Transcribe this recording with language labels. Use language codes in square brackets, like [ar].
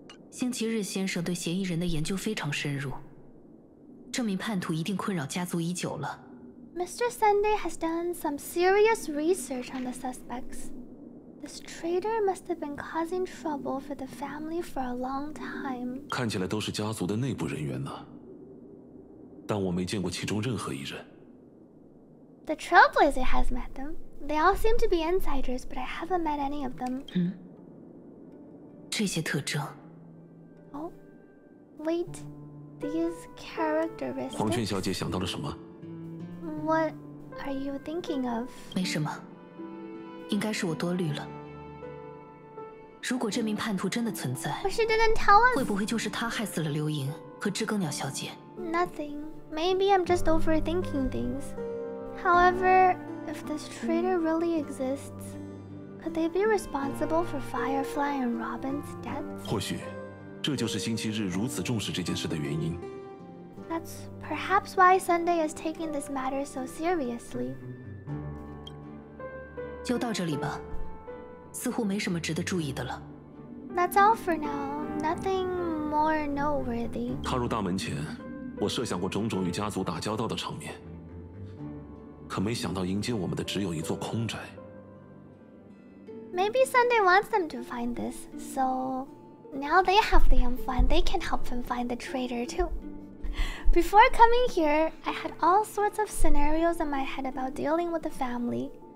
[zh] 星期日先生对嫌疑人的研究非常深入，这名叛徒一定困扰家族已久了。 [en] Mr. Sunday has done some serious research on the suspects. This traitor must have been causing trouble for the family for a long time. [zh] 看起来都是家族的内部人员呢，但我没见过其中任何一人。 [en] The trailblazer has met them. They all seem to be insiders, but I haven't met any of them. [zh] 这些特征。 [en] Oh, wait. These characteristics. [zh] 黄泉小姐想到了什么？ [en] What are you thinking of? [zh] 没什么，应该是我多虑了。如果这名叛徒真的存在， [en] But she didn't tell us. [zh] 会不会就是他害死了刘莹和知更鸟小姐？ [en] Nothing. Maybe I'm just overthinking things. However, if this traitor really exists, could they be responsible for Firefly and Robin's deaths? [zh] 或许，这就是星期日如此重视这件事的原因。 [en] That's perhaps why Sunday is taking this matter so seriously. [zh] 就到这里吧，似乎没什么值得注意的了。 [en] That's all for now. Nothing more noteworthy. [zh] 踏入大门前，我设想过种种与家族打交道的场面，可没想到迎接我们的只有一座空宅。 [en] Maybe Sunday wants them to find this, so now they have the info and they can help him find the traitor too. Before coming here, I had all sorts of scenarios in my head about dealing with the family.